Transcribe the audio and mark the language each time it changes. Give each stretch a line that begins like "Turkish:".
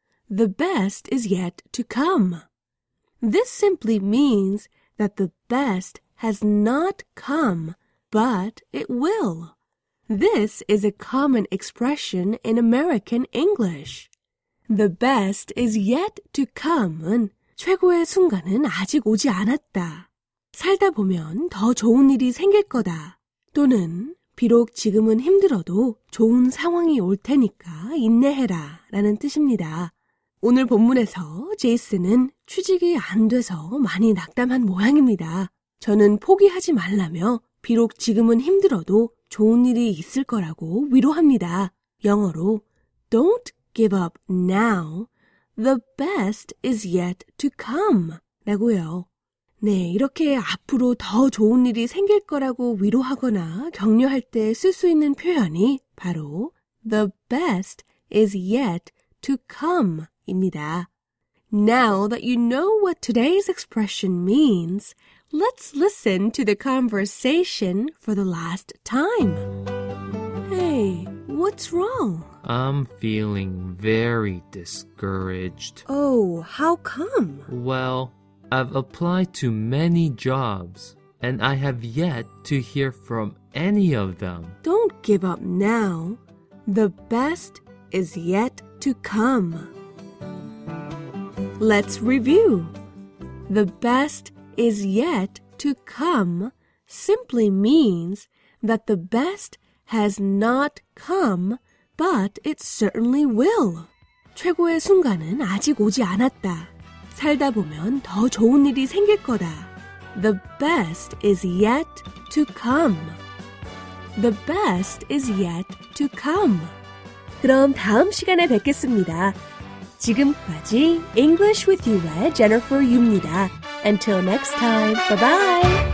English: The best is yet to come. This simply means that the best has not come, but it will. This is a common expression in American English. The best is yet to come은
Korean: 최고의 순간은 아직 오지 않았다. 살다 보면 더 좋은 일이 생길 거다. 또는 비록 지금은 힘들어도 좋은 상황이 올 테니까 인내해라 라는 뜻입니다. 오늘 본문에서 제이슨은 취직이 안 돼서 많이 낙담한 모양입니다. 저는 포기하지 말라며 비록 지금은 힘들어도 좋은 일이 있을 거라고 위로합니다. 영어로
English: Don't give up now. The best is yet to come.
Korean: 라고요. 네, 이렇게 앞으로 더 좋은 일이 생길 거라고 위로하거나 격려할 때 쓸 수 있는 표현이 바로
English: The best is yet to come. 입니다. Now that you know what today's expression means, let's listen to the conversation for the last time. Hey, what's wrong? I'm feeling very discouraged. Oh, how come? Well, I've applied to many jobs, and I have yet to hear from any of them. Don't give up now. The best is yet to come. Let's review. The best is yet to come simply means that the best has not come, but it certainly will.
Korean: 최고의 순간은 아직 오지 않았다. 살다 보면 더 좋은 일이 생길 거다.
English: The best is yet to come. The best is yet to come.
Korean: 그럼 다음 시간에 뵙겠습니다. 지금까지 English with You의 Jennifer Yu입니다.
English: Until next time, bye-bye!